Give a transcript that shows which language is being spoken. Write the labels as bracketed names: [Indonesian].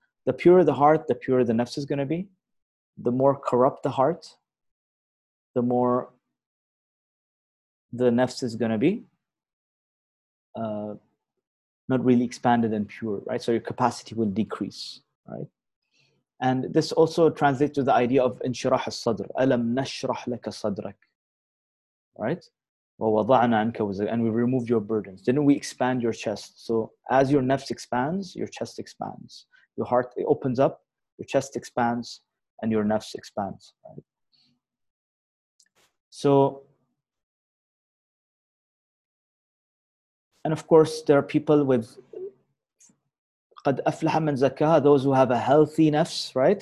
[English] The purer the heart, the purer the nafs is going to be. The more corrupt the heart, the more the nafs is going to be not really expanded and pure, right? So your capacity will decrease, right? And this also translates to the idea of انشراح الصدر. [Arabic] أَلَمْ نَشْرَحْ لَكَ صَدْرَكَ [English] Right? [Arabic] وَوَضَعْنَا عَنْكَ وَزَكَ [English] And we removed your burdens. Didn't we expand your chest? So as your nafs expands, your chest expands. Your heart opens up, your chest expands, and your nafs expands, right? So, and of course, there are people with [Arabic] قَدْ أَفْلَحَ مَنْ زَكَّهَا [English] Those who have a healthy nafs, right?